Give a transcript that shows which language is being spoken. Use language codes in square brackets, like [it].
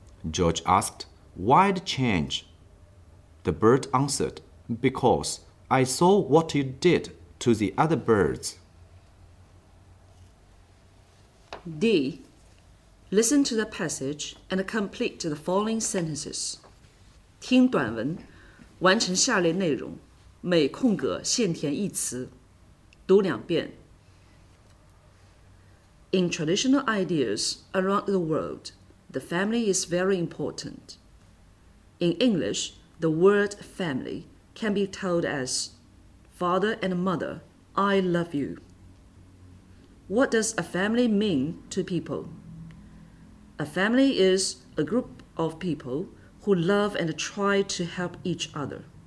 [en] George asked, "Why the change?" The bird answered, "Because I saw what you did to the other birds." D. Listen to the passage and complete the following sentences. [zh] 听短文，完成下列内容，每空格限填一词，读两遍。 [en] In traditional ideas around the world, the family is very important. In English, the word family can be told as father and mother, I love you. What does a family mean to people? A family is a group of people who love and try to help each other.